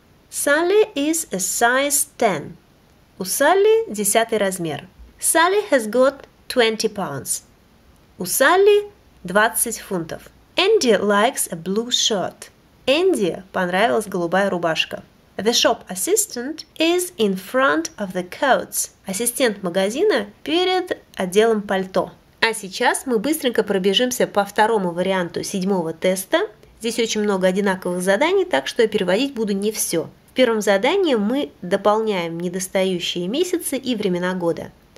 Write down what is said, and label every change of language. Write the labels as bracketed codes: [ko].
[en] Sally is a size 10. [ru] У Sally 10 размер. [en] Sally has got £20. [ru] У Sally 20 фунтов. [en] Andy likes a blue shirt. [ru] Andy понравилась голубая рубашка. [en] The shop assistant is in front of the coats. [ru] Ассистент магазина перед отделом пальто. А сейчас мы быстренько пробежимся по второму варианту седьмого теста. Здесь очень много одинаковых заданий, так что я переводить буду не все. В первом задании мы дополняем недостающие месяцы и времена года.